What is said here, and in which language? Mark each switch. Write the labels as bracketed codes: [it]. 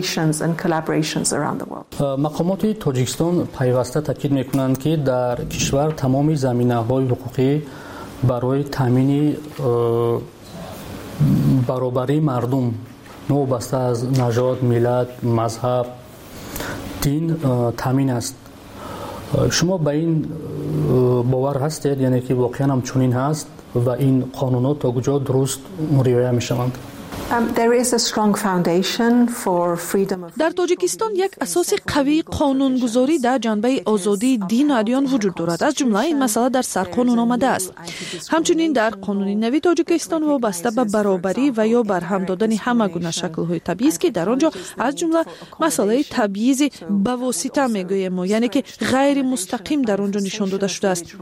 [fa] مقامات تاجیکستان پیوسته تاکید میکنند که در کشور تمام زمینه های حقوقی برای تامین برابری مردم وابسته از نژاد، ملت، مذهب، دین تامین است. شما به این باور هستید یعنی که واقعا هم چنین هست و این قانون ها تا کجا درست رعایت می شوند؟ [en] There is a strong foundation for freedom of [fa] در تاجیکستان یک اساس قوی قانونگذاری در جنبه آزادی دین و ادیان وجود دارد. از جمله این مسئله در سرقانون آمده است. همچنین در قانون نوی تاجیکستان وابسته به برابری و یا برهم دادن همه گونه شکل های تبعیض که در آنجا از جمله مسئله تبعیض به واسطه میگوییم، یعنی که غیر مستقیم در آنجا نشان داده شده است.